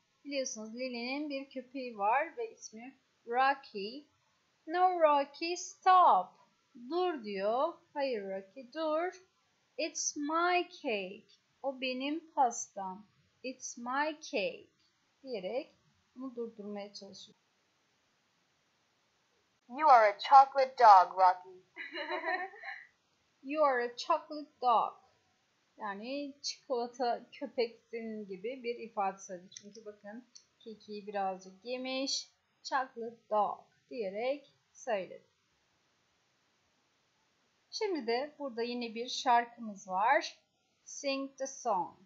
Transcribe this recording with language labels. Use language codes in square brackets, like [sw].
[tr] Biliyorsunuz Lily'nin bir köpeği var ve ismi Rocky. [en] No, Rocky, stop. [tr] Dur diyor. Hayır, Rocky, dur. [en] It's my cake. [tr] O benim pastam. [en] It's my cake. [tr] Diyerek bunu durdurmaya çalışıyor. [en] You are a chocolate dog, Rocky. You are a chocolate dog. [tr] Yani çikolata köpeksin gibi bir ifadesi. Çünkü bakın keki birazcık yemiş. [en] Chocolate dog [tr] diyerek söyledi. Şimdi de burada yine bir şarkımız var. [en] Sing the song.